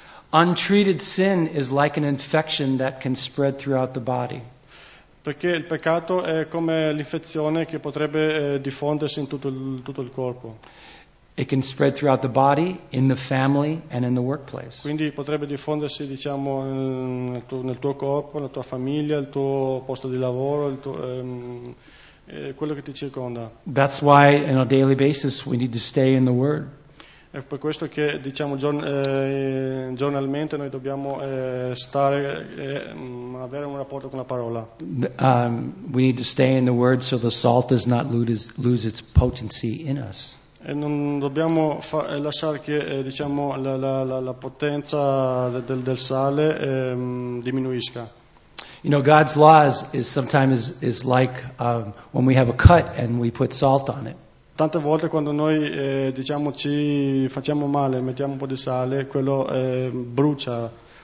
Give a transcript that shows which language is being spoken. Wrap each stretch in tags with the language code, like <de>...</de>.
<en>Untreated sin is like an infection that can spread throughout the body.</en> <it>Perché il peccato è come l'infezione che potrebbe diffondersi in tutto il corpo.</it> <en>It can spread throughout the body, in the family, and in the workplace.</en> <it>Quindi potrebbe diffondersi, diciamo, nel tuo corpo, nella tua famiglia, il tuo posto di lavoro, quello che ti circonda.</it> <en>That's why, on a daily basis, we need to stay in the Word.</en> <it>È per questo che, diciamo, giornalmente noi dobbiamo stare a avere un rapporto con la parola.</it> <en>We need to stay in the word so the salt does not lose its potency in us.</en> <it>E non dobbiamo lasciare che diciamo la potenza del sale diminuisca.</it> <en>You know, God's laws is sometimes is like when we have a cut and we put salt on it.</en> <it>Tante volte quando noi diciamo ci facciamo male, mettiamo un po' di sale, quello brucia.</it>